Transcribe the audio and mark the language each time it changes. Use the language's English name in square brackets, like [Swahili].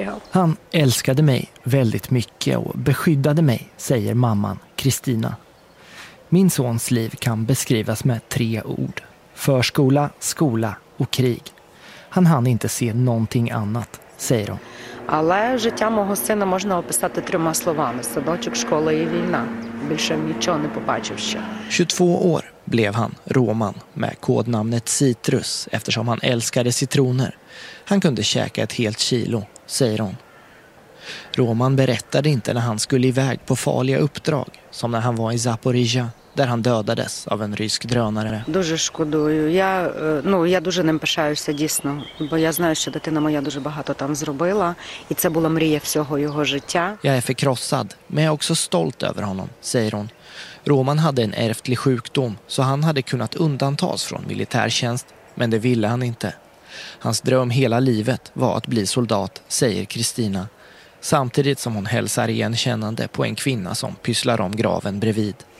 [Swedish] Han älskade mig väldigt mycket och beskyddade mig, säger mamman Kristina. Min sons liv kan beskrivas med tre ord. Förskola, skola och krig. Han hann inte se någonting annat, säger hon. [Ukrainian] Але життя мого сина можна описати трьома словами: садочок, школа і війна. Більше нічого не побачив ще. [Swedish] 22 år blev han Roman med kodnamnet Citrus eftersom han älskade citroner. Han kunde käka ett helt kilo, säger hon. Roman berättade inte när han skulle iväg på farliga uppdrag, som när han var i Zaporizhia där han dödades av en rysk drönare. [Ukrainian] Дуже шкодую. Я дуже ним пишаюся дійсно, бо я знаю, що дитина моя дуже багато там зробила, і це була мрія всього його життя. [Swedish] Jag är förkrossad, men jag är också stolt över honom, säger hon. Roman hade en ärftlig sjukdom, så han hade kunnat undantas från militärtjänst, men det ville han inte. Hans dröm hela livet var att bli soldat, säger Kristina. Samtidigt som hon hälsar igenkännande på en kvinna som pysslar om graven bredvid.